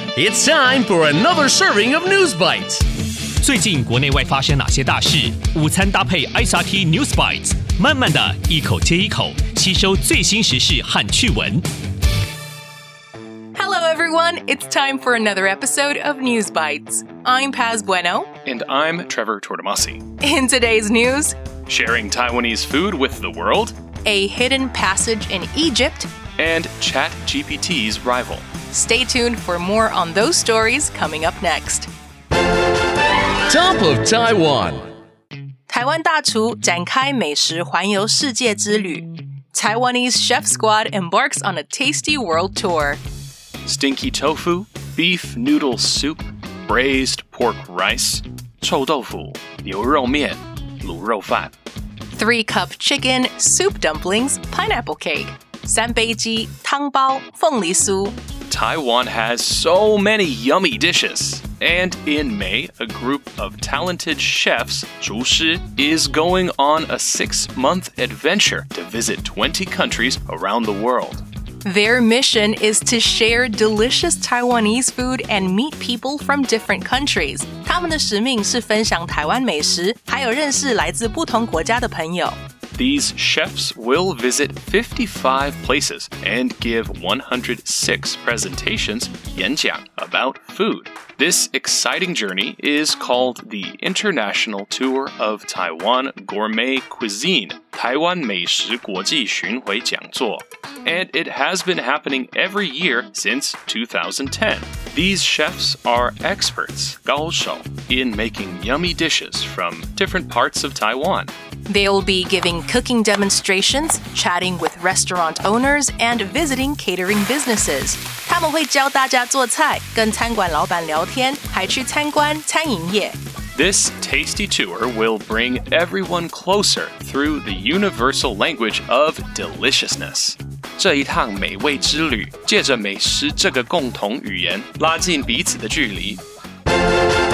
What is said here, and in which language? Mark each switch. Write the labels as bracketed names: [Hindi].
[English] It's time for another serving of News Bites. [Chinese] 最近国内外发生哪些大事？午餐搭配 SRT News Bites， 慢慢的一口接一口，吸收最新时事和趣闻。 [English] Hello everyone, it's time for another episode of News Bites. I'm Paz Bueno. And I'm Trevor Tortomasi. In today's news, sharing Taiwanese food with the world, a hidden passage in Egypt, and ChatGPT's rival. Stay tuned for more on those stories coming up next. Top of Taiwan. [Chinese] 台灣大廚展開美食環遊世界之旅。 [English] Taiwanese Chef Squad embarks on a tasty world tour. Stinky tofu, beef noodle soup, braised pork rice, [Chinese] 臭豆腐、牛肉面、卤肉饭。 [English] Three cup chicken, soup dumplings, pineapple cake, [Chinese] 三杯鸡、汤包、凤梨酥。 [English] Taiwan has so many yummy dishes. And in May, a group of talented chefs, [Chinese] 厨师, [English] is going on a six-month adventure to visit 20 countries around the world. Their mission is to share delicious Taiwanese food and meet people from different countries. [Chinese] 他们的使命是分享台湾美食,还有认识来自不同国家的朋友。 [English] These chefs will visit 55 places and give 106 presentations, 演讲, about food. This exciting journey is called the International Tour of Taiwan Gourmet Cuisine, [Chinese] 台湾美食国际巡回讲座, [English] and it has been happening every year since 2010. These chefs are experts, 高手, in making yummy dishes from different parts of Taiwan. They'll be giving cooking demonstrations, chatting with restaurant owners, and visiting catering businesses. [Chinese] 他们会教大家做菜,跟餐馆老板聊天,还去参观餐饮业。 [English] This tasty tour will bring everyone closer through the universal language of deliciousness. [Chinese] 这一趟美味之旅,借着美食这个共同语言,拉近彼此的距离。